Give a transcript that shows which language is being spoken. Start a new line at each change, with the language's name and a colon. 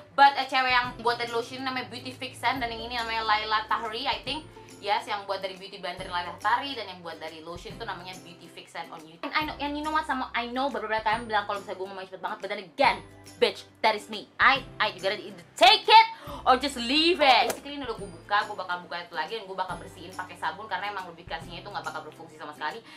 Indonesian: But cewek yang buat dari lotion namanya Beauty Fixen, dan yang ini namanya Laila Tahri,
English: I think.
Indonesian: Yes, yang buat dari beauty blender Laila Tahri, dan yang buat dari lotion itu namanya Beauty Fixen
English: on YouTube. And I know, and you know what,
Indonesian: sama I know beberapa kalian bilang kalau misalnya gue ngomong cepet banget,
English: but then again, bitch, that is me. I you gotta either take it or just leave it.
Indonesian: Basically ini udah gue buka, gue bakal buka itu lagi, dan gue bakal bersihin pakai sabun, karena emang lubrikasinya itu gak bakal berfungsi sama sekali.